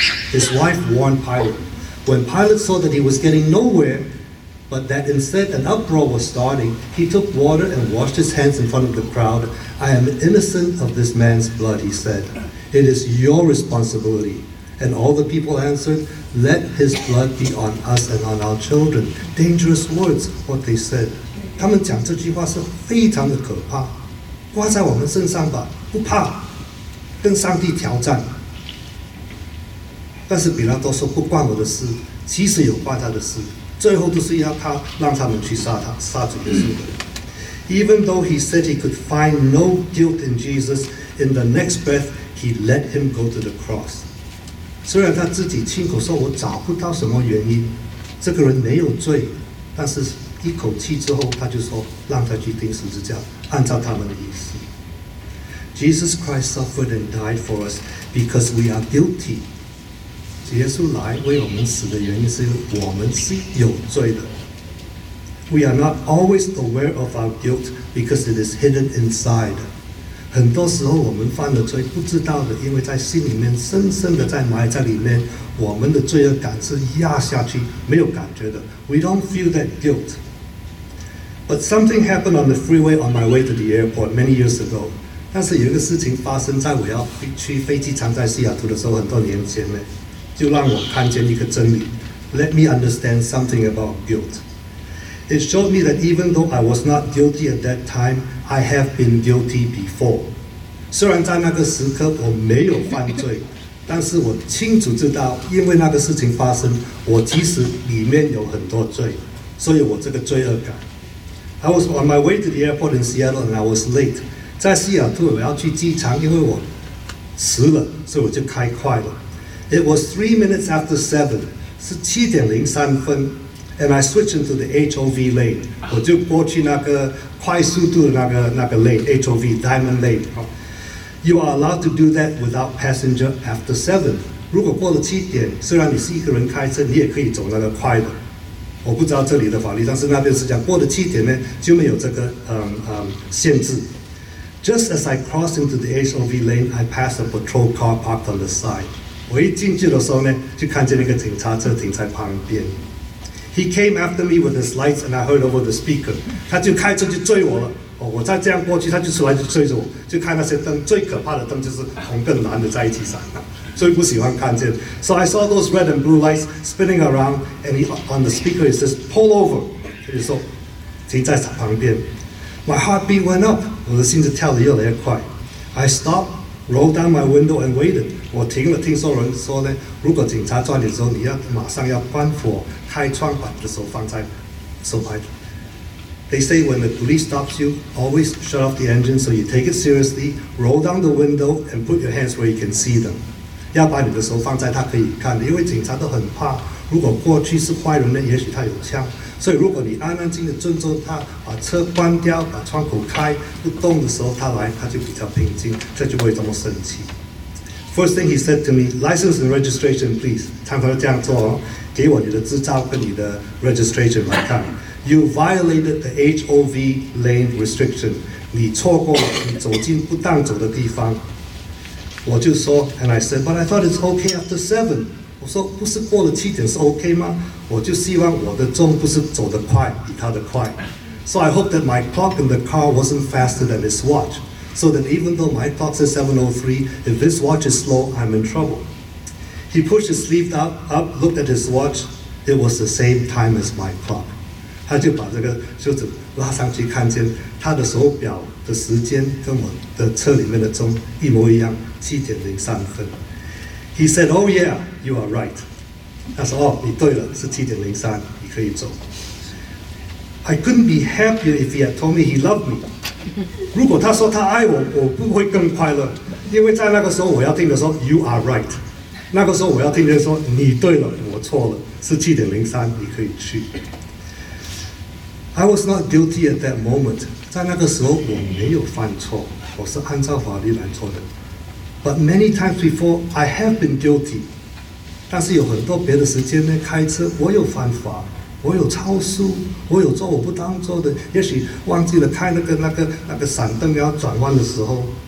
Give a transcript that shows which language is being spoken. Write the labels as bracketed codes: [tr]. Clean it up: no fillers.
[en] His wife warned Pilate. When Pilate saw that he was getting nowhere, but that instead an uproar was starting, he took water and washed his hands in front of the crowd. I am innocent of this man's blood, he said. It is your responsibility. And all the people answered, let his blood be on us and on our children. Dangerous words, what they said. [zh] 他们讲这句话是非常的可怕，挂在我们身上吧，不怕，跟上帝挑战。但是比拉多说不关我的事，其实有关他的事，最后都是要他让他们去杀他，杀主耶稣的。 [en] Even though he said he could find no guilt in Jesus, in the next breath he let him go to the cross. [zh] 虽然他自己亲口说我找不到什么原因，这个人没有罪，但是一口气之后他就说让他去钉十字架，按照他们的意思。 [en] Jesus Christ suffered and died for us because we are guilty. [zh] 耶稣来为我们死的原因是我们是有罪的。 [en] We are not always aware of our guilt because it is hidden inside. [zh] 很多时候我们犯了罪不知道的，因为在心里面深深的在埋在里面，我们的罪恶感是压下去没有感觉的。 [en] We don't feel that guilt. But something happened on the freeway on my way to the airport many years ago. [zh] 但是有一个事情发生在我要去飞机场在西雅图的时候，很多年前呢，就让我看见一个真理。 [en] Let me understand something about guilt. It showed me that even though I was not guilty at that time, I have been guilty before. [zh] 虽然在那个时刻我没有犯罪，但是我清楚知道，因为那个事情发生，我其实里面有很多罪，所以我这个罪恶感。 [en] I was on my way to the airport in Seattle and I was late. [zh] 在西雅图我要去机场，因为我迟了，所以我就开快了。 [en] It was 7:03, [zh] 是7:03, [en] and I switched into the HOV lane. [zh] 我就过去那个快速度的那个 lane, HOV, Diamond Lane. [en] You are allowed to do that without passenger after 7. [zh] 如果过了七点，虽然你是一个人开车，你也可以走那个快的。我不知道这里的法律，但是那边是讲过了七点呢，就没有这个限制。 [en] Just as I crossed into the HOV lane, I passed a patrol car parked on the side. [zh] 我一进去的时候呢，就看见那个警察车停在旁边。 [en] He came after me with his lights, and I heard over the speaker. [zh] 他就开车就追我了。我再这样过去，他就出来就追着我，就看那些灯，最可怕的灯就是红跟蓝的在一起闪，最不喜欢看见。 [en] So I saw those red and blue lights spinning around, and on the speaker it says pull over. [zh] 他就说停在旁边。 [en] My heartbeat went up, [zh] 我的心就跳得越来越快。 [en] I stopped, rolled down my window and waited. [zh] 我停了，听说人说呢，如果警察抓你的时候，你要马上要关火，开窗把你的手放在手牌。 [en] They say when the police stops you, always shut off the engine so you take it seriously, roll down the window and put your hands where you can see them. [zh] 要把你的手放在他可以看的，因为警察都很怕，如果过去是坏人呢，也许他有枪。所以如果你安安静的遵守他，把车关掉，把窗口开，不动的时候他来，他就比较平静，他就不会这么生气。 [en] First thing he said to me, license and registration please. [zh] 常常这样做哦，给我你的执照跟你的 registration 来看。 [en] You violated the HOV lane restriction. [zh] 你错过了，你走进不当走的地方。我就说 [en] ，and I said, but I thought it's okay after 7. [zh] 我说不是过了七点是 okay 吗？我就希望我的钟不是走得快，比他的快。 [en] So I hoped that my clock in the car wasn't faster than his watch. So that even though my clock says 7:03, if this watch is slow, I'm in trouble. He pushed his sleeve up, looked at his watch. It was the same time as my clock. [zh] 他就把这个袖子拉上去，看见他的手表的时间跟我的车里面的钟一模一样，7:03。 [en] He said, "Oh yeah, you are right." [zh] 他说：“哦，你对了，是7:03，你可以走。 ” [en] I couldn't be happier if he had told me he loved me. [zh] 如果他说他爱我，我不会更快乐，因为在那个时候我要听的说 [en] "You are right." [zh] 那个时候我要听的说你对了，我错了，是7:03，你可以去。 [en] I was not guilty at that moment. [zh] 在那个时候我没有犯错，我是按照法律来做的。 [en] But many times before, I have been guilty. [zh] 但是有很多别的时间呢，开车我有犯法，我有超速，我有做我不当做的，也许忘记了开那个闪灯要转弯的时候。